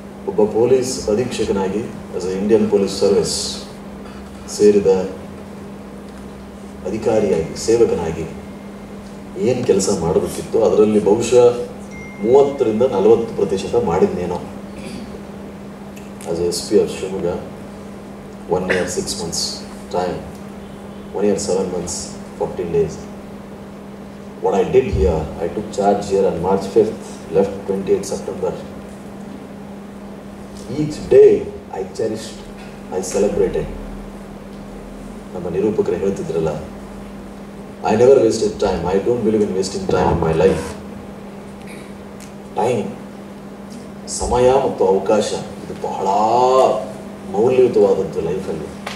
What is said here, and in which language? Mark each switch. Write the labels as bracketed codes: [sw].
[kn] ಒಬ್ಬ police ಅಧೀಕ್ಷಕನಾಗಿ [en] as a Indian police service [kn] ಸೇರಿದ ಅಧಿಕಾರಿಯಾಗಿ, ಸೇವಕನಾಗಿ ಏನು ಕೆಲಸ ಮಾಡಬೇಕಿತ್ತು ಅದರಲ್ಲಿ ಬಹುಶಃ 30-40% ಮಾಡಿದ್ನೇನೋ. [en] As a S P of Shivamogga, 1 year 6 months time, 1 year 7 months 14 days. What I did here, I took charge here on March 5th, left 28th September. Each day I cherished, I celebrated. [kn] ನಮ್ಮ ನಿರೂಪಕರು ಹೇಳ್ತಿದ್ರಲ್ಲ, [en] I never wasted time, I don't believe in wasting time in my life. [kn] Time, ಸಮಯ ಮತ್ತು ಅವಕಾಶ, ಇದು ಬಹಳ ಮೌಲ್ಯಯುತವಾದಂಥ ಲೈಫಲ್ಲಿ.